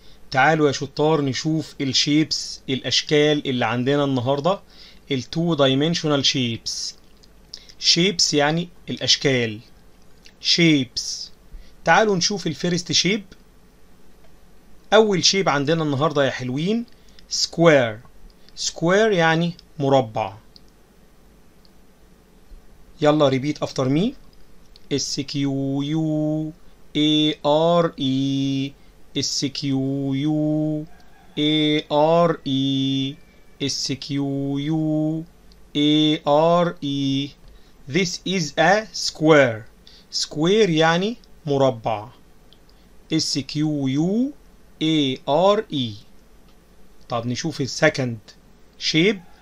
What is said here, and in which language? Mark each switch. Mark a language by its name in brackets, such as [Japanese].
[Arabic] تعالوا يا شطار نشوف الشيبس، الأشكال اللي عندنا النهاردة، ال 2 Dimensional Shapes. شيبس يعني الأشكال، شيبس. تعالوا نشوف الفيرست شيب. أول شيب عندنا النهاردة يا حلوين سكوير. سكوير يعني مربع. [English] يلا repeat after me, S Q U A R E، S Q U A R E، S Q U A R E. This is a square. Square [Arabic] يعني مربع. [English] S Q U A R E. [Arabic] طب نشوف الـ second shape.